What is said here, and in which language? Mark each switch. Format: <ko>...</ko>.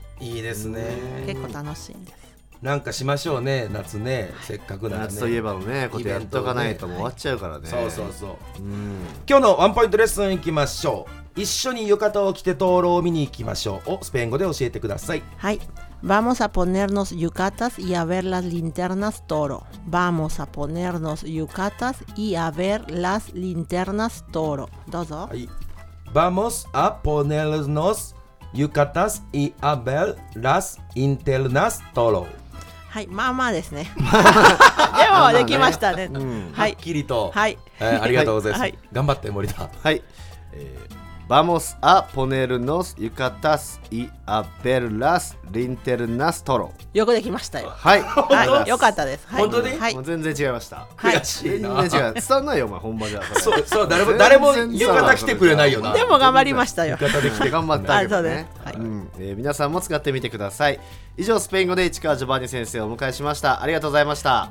<ja>いいですね、うん、結構楽しいんです。なんかしましょうね、夏ね、はい、せっかくだね、夏といえばもね、ことやっとかないと終わっちゃうからね、はい、そうそうそう、うん、今日のワンポイントレッスンいきましょう。一緒に浴衣を着て灯籠を見に行きましょうをスペイン語で教えてください。はい、</ja> <es>Vamos a ponernos yucatas y a ver las linternas toro. Vamos a ponernos yucatas y a ver las linternas toro.</es> <ja>どうぞ。はい。</ja> <es>Vamos a ponernos yucatas y a ver las linternas toro.</es> <ja>はい、まあまあですね。でもできましたね。うん、はっきりと。はい、ありがとうございます。はい、頑張って森田。はい。</ja> <es>Vamos a ponernos yucatas y a ver las linternas toro.</es> <ja>よくできましたよ。はい、はい、よかったです。はい、本当に、はい、全然違いました。はい、悔しいな。全然違う。伝わんないよ、お前、ほんまじゃ。そう、誰も浴衣来てくれないよな。でも頑張りましたよ。浴衣で来て頑張ったけどね。はい、うん、皆さんも使ってみてください。以上、スペイン語で市川ジョバンニ先生をお迎えしました。ありがとうございました。</ja>